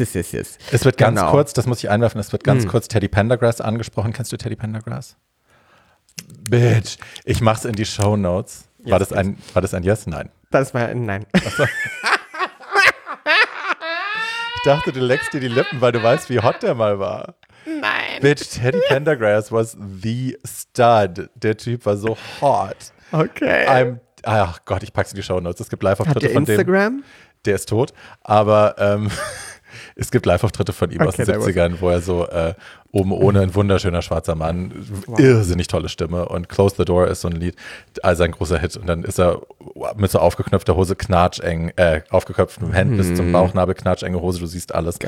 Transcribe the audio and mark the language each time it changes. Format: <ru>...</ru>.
<de>Es wird ganz kurz, das muss ich einwerfen, es wird ganz kurz Teddy Pendergrass angesprochen. Kennst du Teddy Pendergrass? Bitch, ich mach's in die Shownotes. Yes, war das ein Yes? Nein. Das war ein Nein. Ich dachte, du leckst dir die Lippen, weil du weißt, wie hot der mal war. Nein.</de> <en>Bitch, Teddy Pendergrass was the stud.</en> <de>Der Typ war so hot. Okay. Ach Gott, ich pack's in die Shownotes. Es gibt live auf Twitter von dem. Instagram? Der ist tot, aber es gibt Live-Auftritte von ihm aus den 70ern, wo er so oben ohne ein wunderschöner schwarzer Mann, irrsinnig tolle Stimme und Close the Door ist so ein Lied, also ein großer Hit und dann ist er mit so aufgeknöpfter Hose knatscheng, aufgeköpften Händen bis zum Bauchnabel, knatschenge Hose, du siehst alles.</de>